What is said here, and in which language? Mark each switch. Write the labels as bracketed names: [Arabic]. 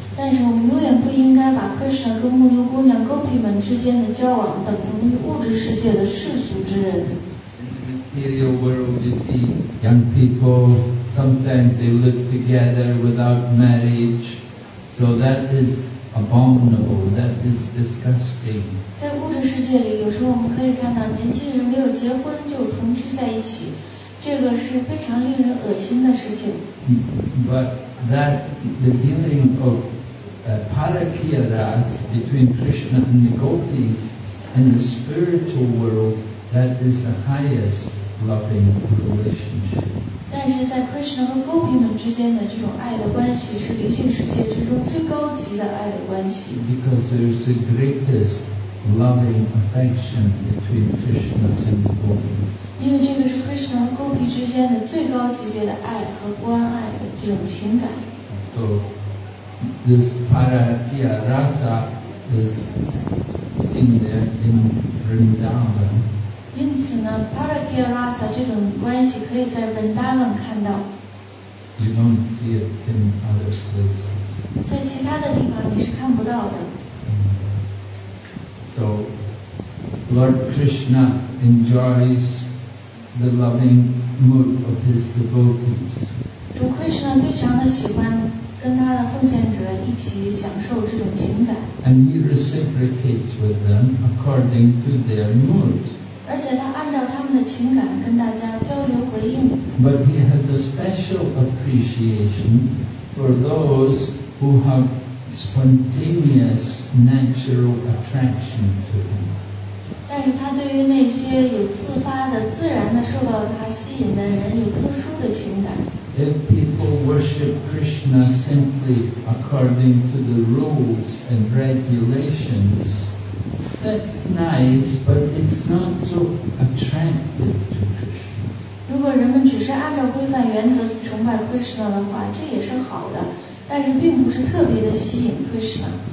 [Chinese] 但是我们永远不应该把 Krishna 跟牧牛姑娘 Gopi 们之间的交往等同于物质世界的世俗之人。 [English] Material world, you see, young people sometimes they live together without marriage, so that is abominable. That is disgusting. [Chinese] 在物质世界里，有时候我们可以看到年轻人没有结婚就同居在一起，这个是非常令人恶心的事情。 [English] But that the dealing of parakya ras between Krishna and the gopis in the spiritual world. That is the highest loving relationship. [Chinese] 但是在 Krishna 和 Gopi 们之间的这种爱的关系是灵性世界之中最高级的爱的关系。 [English] Because there is the greatest loving affection between Krishna and the Gopis. [Chinese] 因为这个是 Krishna 和 Gopi 之间的最高级别的爱和关爱的这种情感。 [English] So this parakya rasa is seen there in Vrindavan. [Chinese] 因此呢 Parakya Rasa 这种关系可以在 Vrindavan 看到 [English] You don't see it in other places [Chinese] 在其他的地方你是看不到的 [English] So Lord Krishna enjoys the loving mood of his devotees [Chinese] 主 Krishna 非常的喜欢跟他的奉献者一起享受这种情感 [English] And he reciprocates with them according to their mood [Chinese] 而且他按照他们的情感跟大家交流回应。 [English] But he has a special appreciation for those who have spontaneous natural attraction to him. [Chinese] 但是他对于那些有自发的、自然的受到他吸引的人有特殊的情感。 [English] If people worship Krishna simply according to the rules and regulations,That's nice, but it's not so attractive to Krishna. [Chinese] 如果人们只是按照规范原则崇拜 Krishna 的话，这也是好的，但是并不是特别的吸引 Krishna.